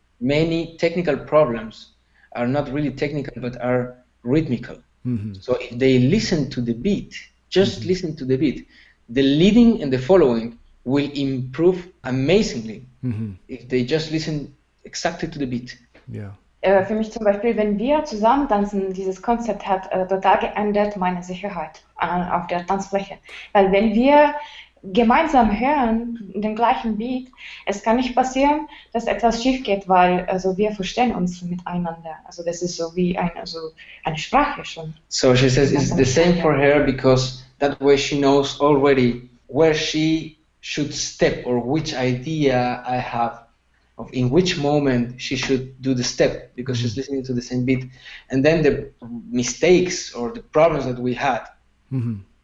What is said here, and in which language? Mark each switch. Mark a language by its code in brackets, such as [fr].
[en] Many technical problems are not really technical, but are rhythmical. Mm-hmm. So if they listen to the beat, just mm-hmm. listen to the beat, the leading and the following will improve amazingly, mm-hmm. if they just listen exactly to the beat. Yeah. [de] Für mich zum Beispiel, wenn wir zusammen tanzen, dieses Konzept hat total geändert meine Sicherheit auf der Tanzfläche. Weil wenn wir gemeinsam hören, den gleichen Beat, es kann nicht passieren, dass etwas schief geht, weil also wir verstehen uns miteinander. Also das ist so wie eine Sprache schon. [en] So she says it's the same for her because that way she knows already where she should step or which idea I have of in which moment she should do the step because she's listening to the same beat. And then the mistakes or the problems that we had, mm-hmm.